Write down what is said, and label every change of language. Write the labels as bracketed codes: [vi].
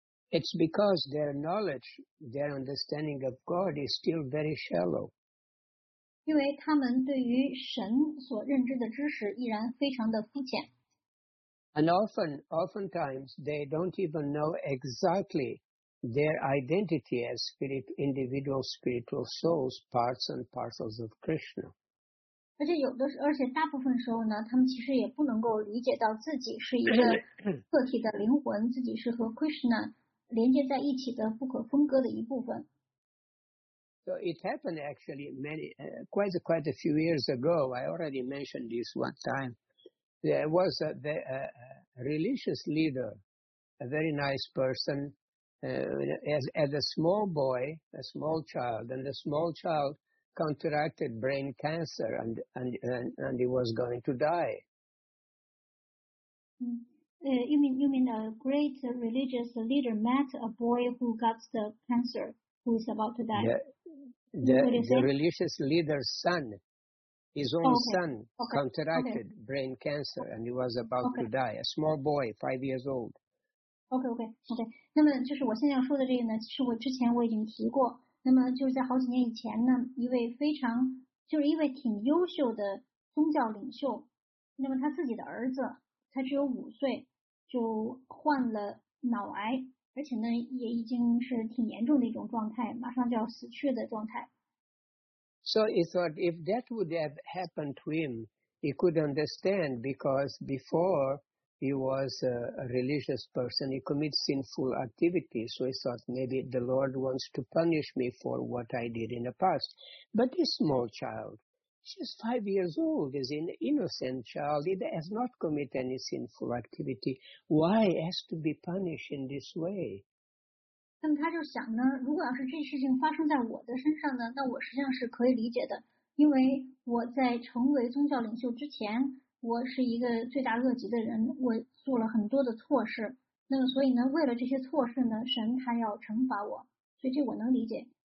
[en] It's because their knowledge, their understanding of God is still very shallow. [zh] 因为他们对于神所认知的知识依然非常的肤浅。 [en] And oftentimes they don't even know exactly their identity as individual spiritual souls, parts and parcels of Krishna. [zh] 而且大部分时候呢，他们其实也不能够理解到自己是一个个体的灵魂，自己是和 Krishna 连接在一起的不可分割的一部分。 [en] So it happened actually quite a few years ago. I already mentioned this one time. There was a religious leader, a very nice person, as a small child, and the small child. Contracted brain cancer and he was going to die. You mean a great religious leader met a boy who got the cancer who is about to die? The religious leader's son, his own son, contracted brain cancer and he was about to die. A small boy, 5 years old. Okay. [zh] 那么就是我现在要说的这个呢，是我之前我已经提过。那么就是在好几年以前呢，一位非常就是一位挺优秀的宗教领袖，那么他自己的儿子才只有5岁就患了脑癌，而且呢也已经是挺严重的一种状态，马上就要死去的状态。 [en] So he thought if that would have happened to him, he could understand because before he was a religious person. He commits sinful activities. So he thought maybe the Lord wants to punish me for what I did in the past. But this small child, she's 5 years old, is an innocent child. He has not committed any sinful activity. Why has to be punished in this way? [zh] 那么他就想呢，如果要是这事情发生在我的身上呢，那我实际上是可以理解的，因为我在成为宗教领袖之前。我是一个罪大恶极的人，我做了很多的错事，那么所以呢，为了这些错事呢，神他要惩罚我，所以这我能理解。